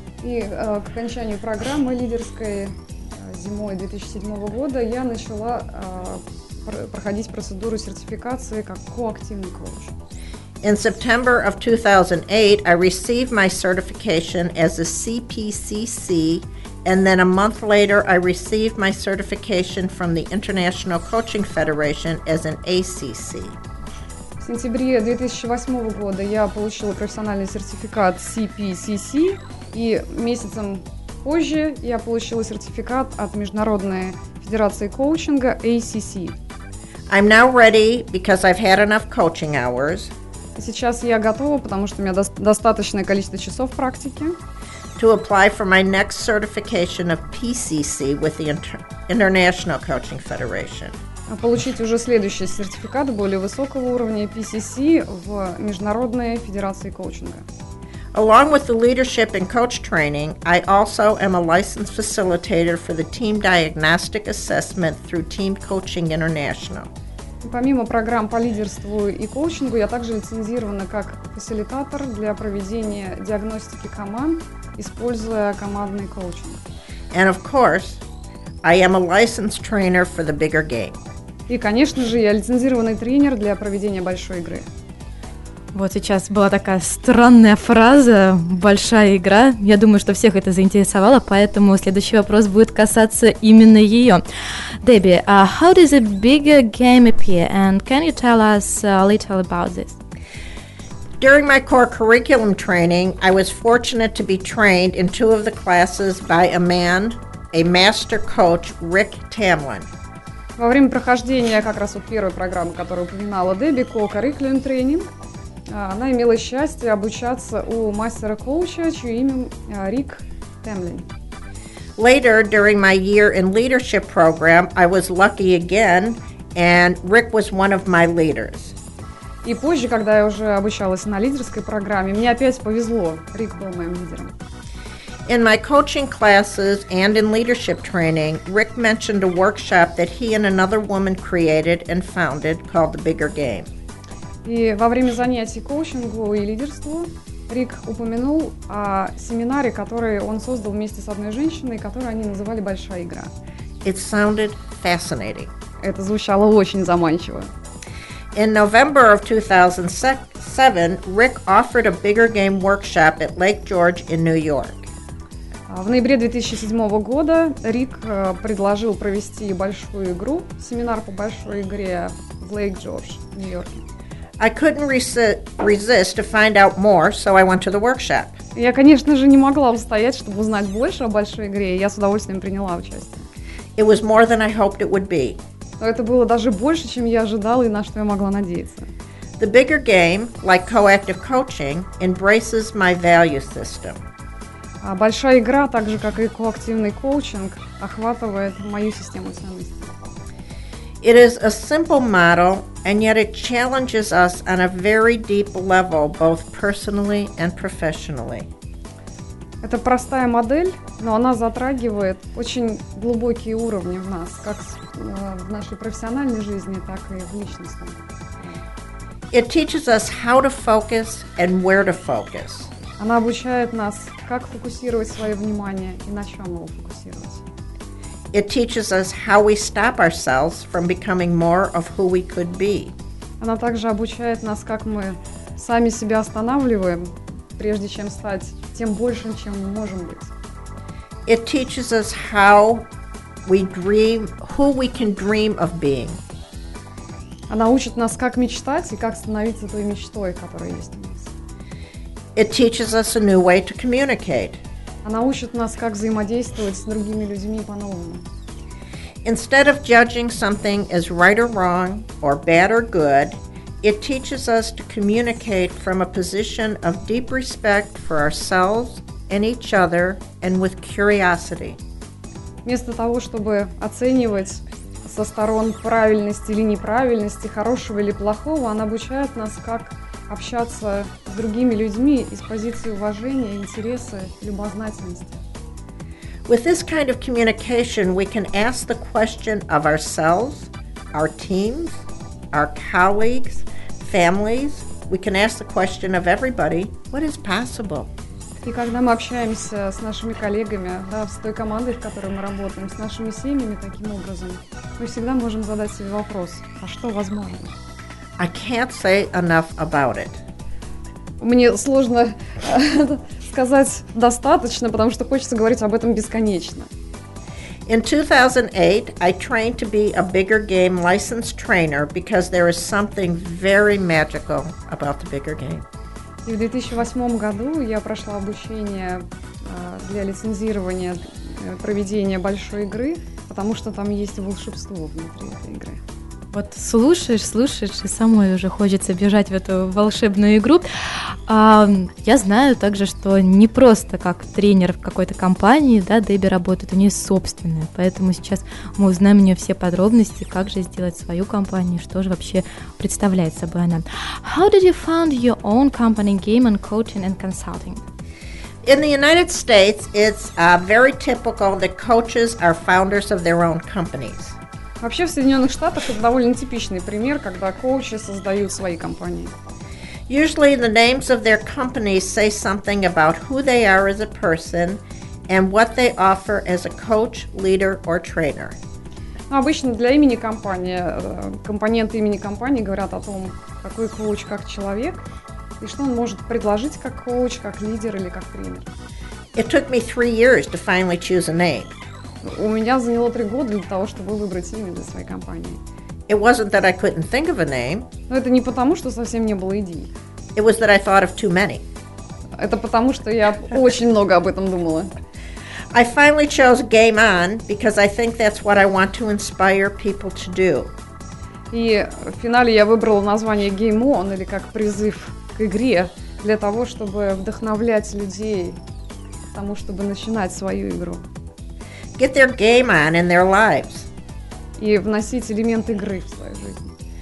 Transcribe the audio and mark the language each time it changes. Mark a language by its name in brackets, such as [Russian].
[Russian] И к окончанию программы лидерской зимой 2007 года я начала проходить процедуру сертификации как коактивный коуч. [English] In September of 2008, I received my certification as a CPCC, and then a month later, I received my certification from the International Coaching Federation as an ACC. [Russian] В сентябре 2008 года я получила профессиональный сертификат CPCC, и месяцем позже я получила сертификат от Международной Федерации Коучинга ACC. [English] I'm now ready because I've had enough coaching hours. [Russian] Сейчас я готова, потому что у меня достаточное количество часов практики. [English] To apply for my next certification of PCC with the International Coaching Federation. [Russian] Получить уже следующий сертификат более высокого уровня PCC в Международной Федерации Коучинга. [English] Along with the leadership and coach training, I also am a licensed facilitator for the Team Diagnostic Assessment through Team Coaching International. [Russian] Помимо программ по лидерству и коучингу, я также лицензирована как фасилитатор для проведения диагностики команд, используя командный коучинг. [English] And of course, I am a licensed trainer for the bigger game. [Russian] И, конечно же, я лицензированный тренер для проведения большой игры. Вот сейчас была такая странная фраза «большая игра». Я думаю, что всех это заинтересовало, поэтому следующий вопрос будет касаться именно ее. [English] Дебби, how does a bigger game appear, and can you tell us a little about this? During my core curriculum training, I was fortunate to be trained in two of the classes by a man, a master coach, Rick Tamlin. [Russian] Во время прохождения как раз вот первой программы, которую упоминала Дебби, core curriculum training, она имела счастье обучаться у мастера-коуча, чье имя Рик Темлин. [English] Later, during my year in leadership program, I was lucky again, and Rick was one of my leaders. [Russian] И позже, когда я уже обучалась на лидерской программе, мне опять повезло, Рик был моим лидером. [English] In my coaching classes and in leadership training, Rick mentioned a workshop that he and another woman created and founded called The Bigger Game. [Russian] И во время занятий коучингу и лидерству Рик упомянул о семинаре, который он создал вместе с одной женщиной, которую они называли «Большая игра». [English] It sounded fascinating. [Russian] Это звучало очень заманчиво. [English] In November of 2007, Rick offered a bigger game workshop at Lake George in New York. [Russian] В ноябре 2007 года Рик предложил провести большую игру, семинар по большой игре в Lake George, Нью-Йорке. [English] I couldn't resist to find out more, so I went to the workshop. [Russian] Я, конечно же, не могла устоять, чтобы узнать больше о большой игре, и я с удовольствием приняла участие. [English] It was more than I hoped it would be. [Russian] Но это было даже больше, чем я ожидала и на что я могла надеяться. [English] The bigger game, like coactive coaching, embraces my value system. [Russian] А большая игра, так же как и коактивный коучинг, охватывает мою систему ценностей. [English] It is a simple model, and yet it challenges us on a very deep level, both personally and professionally. [Russian] Это простая модель, но она затрагивает очень глубокие уровни в нас, как в нашей профессиональной жизни, так и в личностном. [English] It teaches us how to focus and where to focus. [Russian] Она обучает нас, как фокусировать свое внимание и на чем его фокусировать. [English] It teaches us how we stop ourselves from becoming more of who we could be. [Russian] Она также обучает нас, как мы сами себя останавливаем, прежде чем стать тем большим, чем мы можем быть. [English] It teaches us how we dream, who we can dream of being. [Russian] Она учит нас, как мечтать и как становиться той мечтой, которая есть у нас. [English] It teaches us a new way to communicate. [Russian] Она учит нас, как взаимодействовать с другими людьми по-новому. [English] Instead of judging something as right or wrong, or bad or good, it teaches us to communicate from a position of deep respect for ourselves and each other and with curiosity. [Russian] Вместо того, чтобы оценивать со сторон правильности или неправильности, хорошего или плохого, она обучает нас, как общаться с другими людьми из позиции уважения, интереса, любознательности. [English] With this kind of communication, we can ask the question of ourselves, our teams, our colleagues, families, we can ask the question of everybody, what is possible? [Russian] И когда мы общаемся с нашими коллегами, да, с той командой, в которой мы работаем, с нашими семьями таким образом, мы всегда можем задать себе вопрос, а что возможно? [English] I can't say enough about it. [Russian] Мне сложно сказать достаточно, потому что хочется говорить об этом бесконечно. [English] In 2008, I trained to be a bigger game licensed trainer because there is something very magical about the bigger game. [Russian] И в 2008 году я прошла обучение для лицензирования проведения большой игры, потому что там есть волшебство внутри этой игры. Вот слушаешь, слушаешь, и самой уже хочется бежать в эту волшебную игру. А, я знаю также, что не просто как тренер в какой-то компании, да, Дебби работает, у нее собственная. Поэтому сейчас мы узнаем у нее все подробности, как же сделать свою компанию, что же вообще представляет собой она. [English] How did you found your own company, Game and Coaching and Consulting? In the United States, it's very typical that coaches are founders of their own companies. [Russian] Вообще в Соединенных Штатах это довольно типичный пример, когда коучи создают свои компании. [English] Usually the names of their companies say something about who they are as a person and what they offer as a coach, leader or trainer. [Russian] Ну, обычно для имени компании, компоненты имени компании говорят о том, какой коуч как человек и что он может предложить как коуч, как лидер или как тренер. [English] It took me 3 years to finally choose a name. [Russian] У меня заняло 3 года для того, чтобы выбрать имя для своей компании. [English] It wasn't that I couldn't think of a name. [Russian] Но это не потому, что совсем не было идей. [English] It was that I thought of too many. [Russian] Это потому, что я очень много об этом думала. [English] I finally chose Game On because I think that's what I want to inspire people to do. [Russian] И в финале я выбрала название Game On, или как призыв к игре, для того, чтобы вдохновлять людей к тому, чтобы начинать свою игру. [English] Get their game on in their lives. [Russian] И вносить элемент игры в свою жизнь.